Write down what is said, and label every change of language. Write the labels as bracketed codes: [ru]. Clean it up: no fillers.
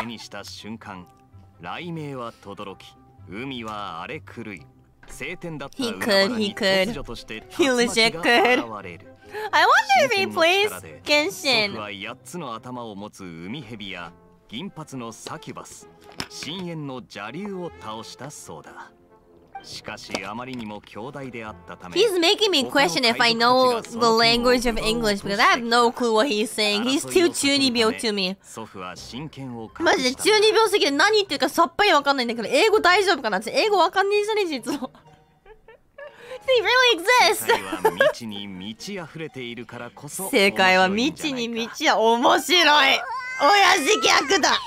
[ja] 手にした瞬間、雷鳴は轟き、海は荒れ狂い、晴天だった海原に突如として竜巻が現れる。 [en] I wonder if he plays Genshin。 [ja] 祖父は8つの頭を持つ海蛇や銀髪のサキュバス、深淵の蛇竜を倒したそうだ。しかしあまりにも強大であったため、 [en] He's making me question if I know the language of English because I have no clue what he's saying. He's too 中二病 to me. [ja] 祖父は真剣を隠した。マジで中二病すぎて何言ってるかさっぱりわかんないんだけど、英語大丈夫かな？英語わかんねえじゃねえ実は。 [en] He really exists. [ja] 世界は未知に満ち溢れているからこそ、世界は未知に満ち溢れているからこそ面白い。親父逆だ。